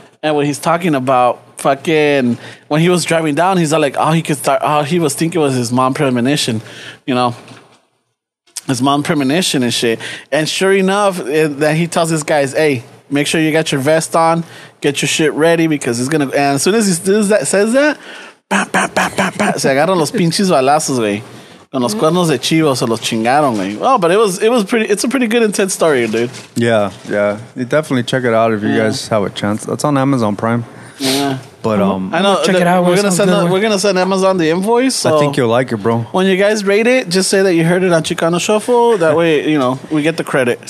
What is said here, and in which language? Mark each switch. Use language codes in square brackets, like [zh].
[en] And when he's talking about fucking, when he was driving down, he's like, all he was thinking was his mom premonition, you know, his mom premonition and shit. And sure enough, then he tells his guys, hey, make sure you got your vest on, get your shit ready, because it's going to, and as soon as he says that, bam, bam, bam, bam, bam, [es] se agarran los pinches balazos, güey. Con los cuernos de chivo se los chingaron, man. [en] Oh, but it was pretty. It's a pretty good intense story, dude. Yeah. You definitely check it out if you guys have a chance. That's on Amazon Prime. Yeah. But I know. Check it out. We're gonna send Amazon the invoice. So I think you'll like it, bro. When you guys rate it, just say that you heard it on Chicano Shuffle. That way, you know, we get the credit.